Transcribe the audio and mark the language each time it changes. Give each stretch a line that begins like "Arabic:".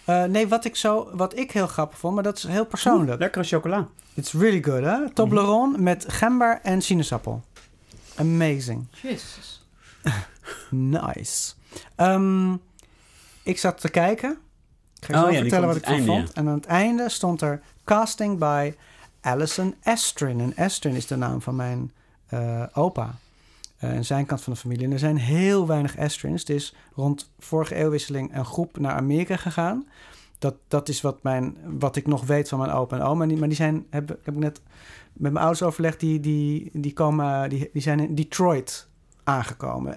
Dutch: Nee, wat ik heel grappig vond, maar dat is heel persoonlijk. Lekkere chocola.
English: It's really good,
Dutch: hè? Toblerone met gember en sinaasappel. Amazing. Jesus. Nice. Ik zat te kijken. Ik ga je vertellen wat ik ervan vond. En aan het einde stond er...
English: Casting by Alison Estrin.
Dutch: En Estrin is de naam van mijn opa. En zijn kant van de familie. En er zijn heel weinig Estrins. Het is rond vorige eeuwwisseling een groep naar Amerika gegaan. Dat is wat ik nog weet van mijn opa en oma. Maar die zijn, heb ik net met mijn ouders overlegd, die zijn in Detroit aangekomen.